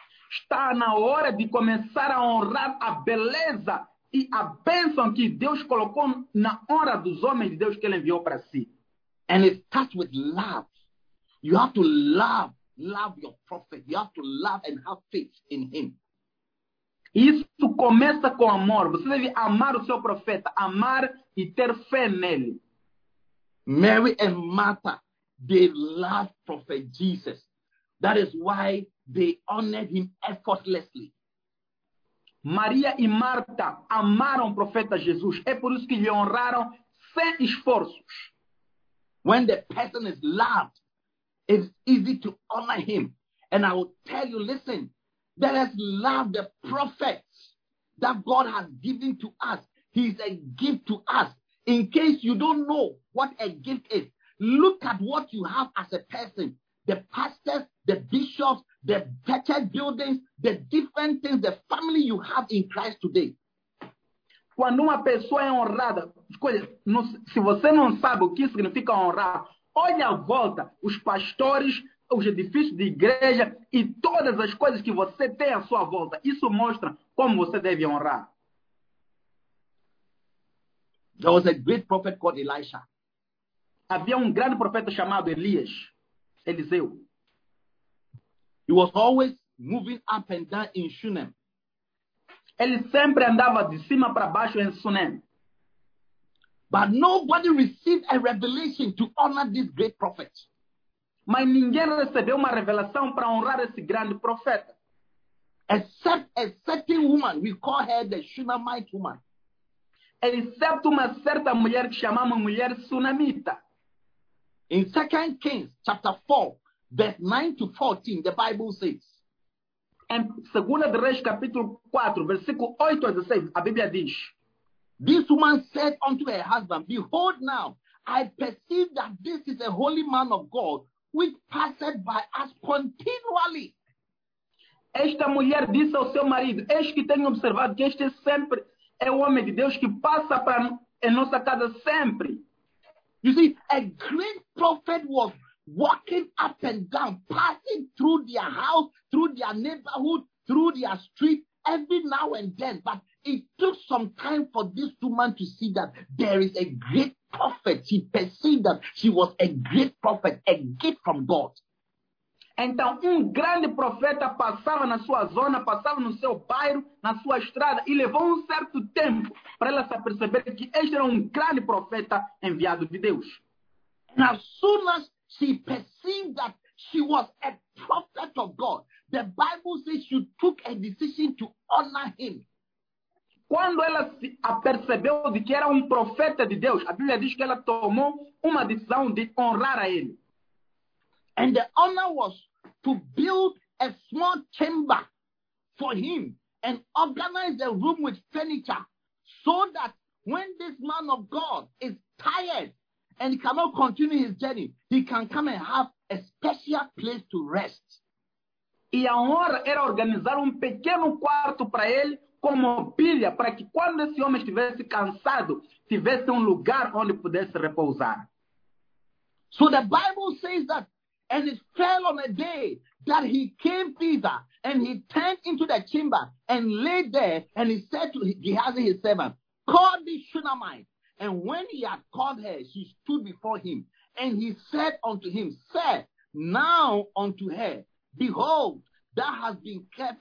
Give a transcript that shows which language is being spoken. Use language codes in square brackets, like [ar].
[pt] Está na hora de começar a honrar a beleza e a bênção que Deus colocou na honra dos homens de Deus que Ele enviou para si. [en] And it starts with love. You have to love your prophet. You have to love and have faith in him. [pt] Isso começa com amor. Você deve amar o seu profeta, amar e ter fé nele. [en] Mary and Martha, they love Prophet Jesus. That is why they honored him effortlessly. [pt] Maria e Marta amaram o profeta Jesus. É por isso que lhe honraram sem esforços. [en] When the person is loved, it's easy to honor him. And I will tell you, listen, let us love the prophets that God has given to us. He is a gift to us. In case you don't know what a gift is, look at what you have as a person. The pastors, the bishops, the church buildings, the different things, the family you have in Christ today. [pt] Quando uma pessoa é honrada, se você não sabe o que significa honrar, olhe à volta os pastores, os edifícios de igreja e todas as coisas que você tem à sua volta. Isso mostra como você deve honrar. [en] There was a great prophet called Elisha. [pt] Havia grande profeta chamado Elias, Eliseu. [en] He was always moving up and down in Shunem. [pt] Ele sempre andava de cima para baixo em Shunem. [en] But nobody received a revelation to honor this great prophet. [pt] Mas ninguém recebeu uma revelação para honrar esse grande profeta. [en] Except a certain woman, we call her the Shunammite woman. [pt] Excepto uma certa mulher que chamamos mulher sunamita. [en] In 2 Kings chapter 4, verse 9 to 14, the Bible says. [pt] Em 2 Reis capítulo 4, versículo 8 a 16, a Bíblia diz. [en] This woman said unto her husband, behold now, I perceive that this is a holy man of God, which passeth by us continually. [pt] Esta mulher disse ao seu marido, eis que tenho observado que este é sempre... É o homem de Deus que passa para em nossa casa sempre. [en] You see, a great prophet was walking up and down, passing through their house, through their neighborhood, through their street, every now and then. But it took some time for this woman to see that there is a great prophet. She perceived that she was a great prophet, a gift from God. [pt] Então, grande profeta passava na sua zona, passava no seu bairro, na sua estrada, e levou certo tempo para ela se perceber que este era grande profeta enviado de Deus. [en] And as soon as she perceived that she was a prophet of God, the Bible says she took a decision to honor him. [pt] Quando ela se apercebeu de que era profeta de Deus, a Bíblia diz que ela tomou decisão de honrar a ele. [en] And the honor was to build a small chamber for him and organize a room with furniture so that when this man of God is tired and cannot continue his journey, he can come and have a special place to rest. [pt] E a honra era organizar pequeno quarto para ele como pilha para que quando esse homem estivesse cansado, tivesse lugar onde pudesse repousar. [en] So the Bible says that and it fell on a day that he came thither, and he turned into the chamber and lay there, and he said to Gehazi, his servant, call the Shunammite. And when he had called her, she stood before him, and he said unto him, say now unto her, behold, thou hast been careful.